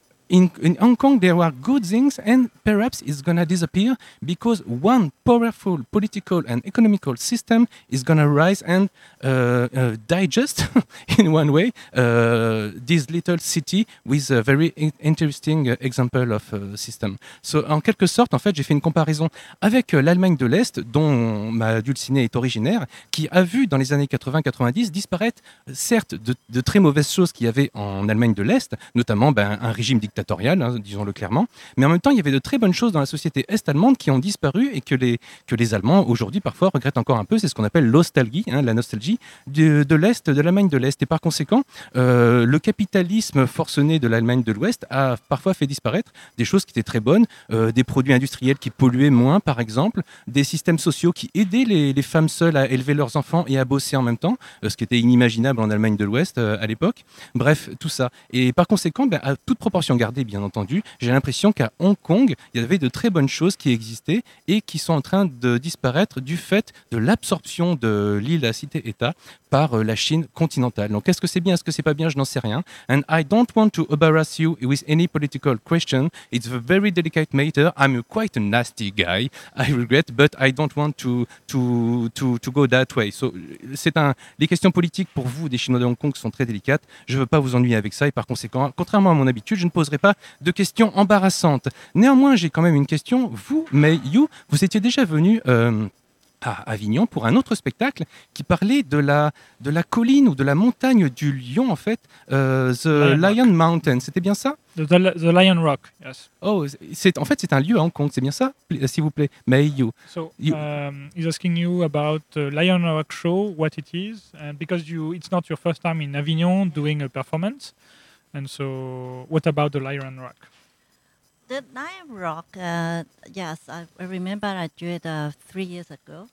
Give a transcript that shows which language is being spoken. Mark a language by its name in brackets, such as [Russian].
[English] In Hong Kong, there were good things, and perhaps it's going to disappear because one powerful political and economical system is going to rise and digest, in one way, this little city with a very interesting example of system. [French] So, en quelque sorte, en fait, j'ai fait une comparaison avec l'Allemagne de l'Est, dont ma dulcinée est originaire, qui a vu dans les années 80-90 disparaître, certes, de très mauvaises choses qu'il y avait en Allemagne de l'Est, notamment un régime dictatorial. Disons-le clairement, mais en même temps, il y avait de très bonnes choses dans la société est-allemande qui ont disparu et que les Allemands aujourd'hui parfois regrettent encore un peu. C'est ce qu'on appelle l'ostalgie, la nostalgie de l'Est, de l'Allemagne de l'Est. Et par conséquent, le capitalisme forcené de l'Allemagne de l'Ouest a parfois fait disparaître des choses qui étaient très bonnes, des produits industriels qui polluaient moins, par exemple, des systèmes sociaux qui aidaient les femmes seules à élever leurs enfants et à bosser en même temps, ce qui était inimaginable en Allemagne de l'Ouest à l'époque. Bref, tout ça. Et par conséquent, à toute proportion garder, bien entendu, j'ai l'impression qu'à Hong Kong, il y avait de très bonnes choses qui existaient et qui sont en train de disparaître du fait de l'absorption de l'île à cité-État par la Chine continentale. Donc, est-ce que c'est bien, est-ce que c'est pas bien, je n'en sais rien. [English] And I don't want to embarrass you with any political question. It's a very delicate matter. I'm a quite a nasty guy. I regret, but I don't want to go that way. [French] So, c'est un, les questions politiques pour vous, des Chinois de Hong Kong, sont très délicates. Je ne veux pas vous ennuyer avec ça. Et par conséquent, contrairement à mon habitude, je ne poserai pas de questions embarrassantes. Néanmoins, j'ai quand même une question. Vous, Mei Yu, vous étiez déjà venu à Avignon pour un autre spectacle qui parlait de la colline ou de la montagne du lion, en fait, The Lion Mountain. C'était bien ça? [English] The Lion Rock, yes. [French] Oh, c'est, en fait, c'est un lieu à Hong Kong, c'est bien ça, s'il vous plaît, Mei Yu. [English] So, he's asking you about the Lion Rock show, what it is, and because you, it's not your first time in Avignon doing a performance, and so what about the Lion Rock? The Lion Rock, yes, I remember I did it 3 years ago.